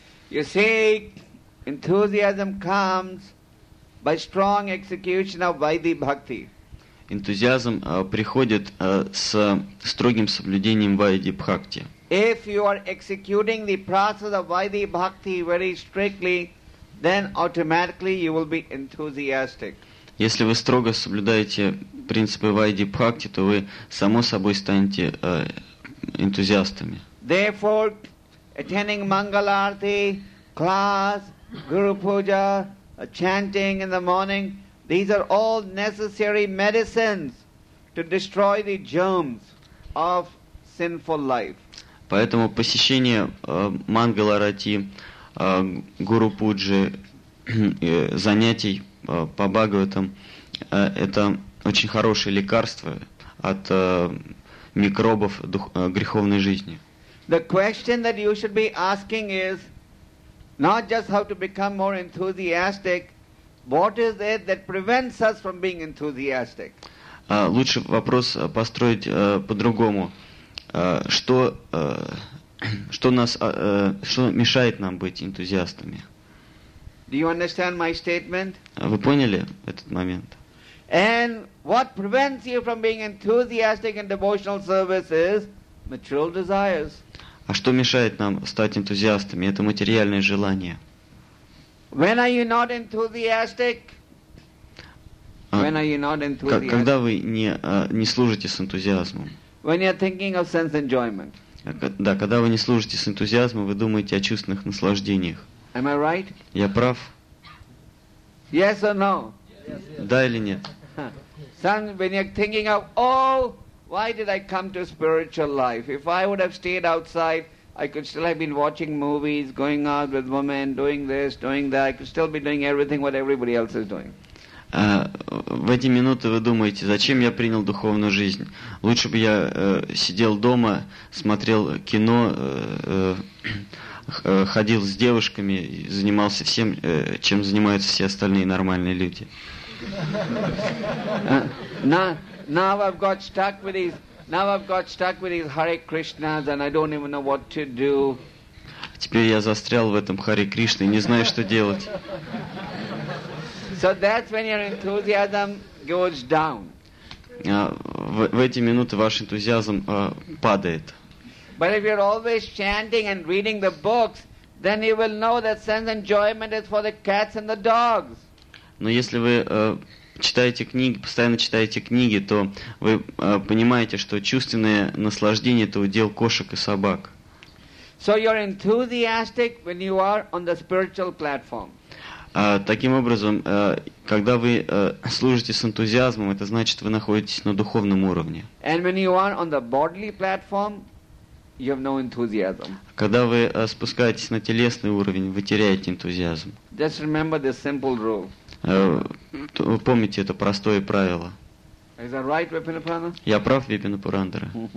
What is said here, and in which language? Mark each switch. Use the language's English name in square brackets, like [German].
[English] You see, enthusiasm comes by strong execution of Vaidhi Bhakti. [Russian] Энтузиазм приходит с строгим соблюдением Вайди Бхакти. [English] If you are executing the process of Vaidhi Bhakti very strictly, then automatically you will be enthusiastic. [Russian] Если вы строго соблюдаете принципы Вайди Бхакти, то вы само собой станете энтузиастами. [English] Therefore, attending Mangal Arati class, Guru Puja, chanting in the morning, these are all necessary medicines to destroy the germs of sinful life. [Russian] Поэтому посещение Мангаларати, Гуру Пуджи, занятий по Бхагаватам это очень хорошее лекарство от микробов греховной жизни. [English] The question that you should be asking is not just how to become more enthusiastic. What is it that prevents us from being enthusiastic? [Russian] Лучше вопрос построить по-другому. Что мешает нам быть энтузиастами? [English] Do you understand my statement? [Russian] Вы поняли этот момент? [English] And what prevents you from being enthusiastic in devotional service is material desires. [Russian] А что мешает нам стать энтузиастами? Это материальные желания. [English] When are you not enthusiastic? [Russian] Когда вы не служите с энтузиазмом? [English] When you're thinking of sense enjoyment. [Russian] Да, когда вы не служите с энтузиазмом, вы думаете о чувственных наслаждениях. [English] Am I right? [Russian] Я прав? [English] Yes or no? [Russian] Да или нет? [English] Son, when you're thinking of, oh, why did I come to spiritual life? If I would have stayed outside, I could still have been watching movies, going out with women, doing this, doing that. I could still be doing everything what everybody else is doing. [Russian] В эти минуты вы думаете, зачем я принял духовную жизнь? Лучше бы я сидел дома, смотрел кино, ходил с девушками, занимался всем, чем занимаются все остальные нормальные люди. [English] Now I've got stuck with these Hare Krishnas, and I don't even know what to do. [Russian] Теперь я застрял в этом Харе Кришне, не знаю, что делать. [English] So that's when your enthusiasm goes down. [Russian] В эти минуты ваш энтузиазм падает. [English] But if you're always chanting and reading the books, then you will know that sense enjoyment is for the cats and the dogs. [Russian] Но если вы читаете книги, постоянно читаете книги, то вы понимаете, что чувственное наслаждение — это удел кошек и собак. [English] So you're enthusiastic when you are on the spiritual platform. [Russian] Таким образом, когда вы служите с энтузиазмом, это значит, вы находитесь на духовном уровне. [English] And when you are on the bodily platform, you have no enthusiasm. [Russian] Когда вы спускаетесь на телесный уровень, вы теряете энтузиазм. [English] Just remember this simple rule. [Russian] Помните это простое правило. [English] Is that right, Vipinapurana? [Russian] Я прав, Випинапурандара?